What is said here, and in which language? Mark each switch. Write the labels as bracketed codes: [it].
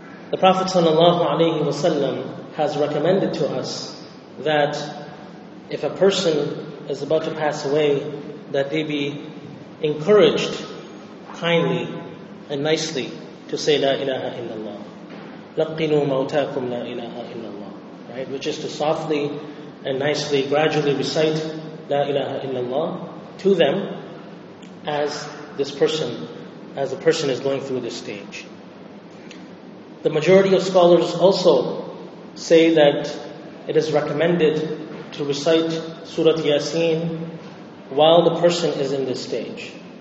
[en] The Prophet sallallahu alayhi wa sallam has recommended to us that if a person is about to pass away, that they be encouraged kindly and nicely to say La ilaha illallah. [ar] لَقِّنُوا مَوْتَاكُمْ لَا إِلَهَ إِلَّا اللَّهِ, [en] right? Which is to softly and nicely gradually recite La ilaha illallah to them as the person is going through this stage. The majority of scholars also say that it is recommended to recite Surah Yasin while the person is in this stage.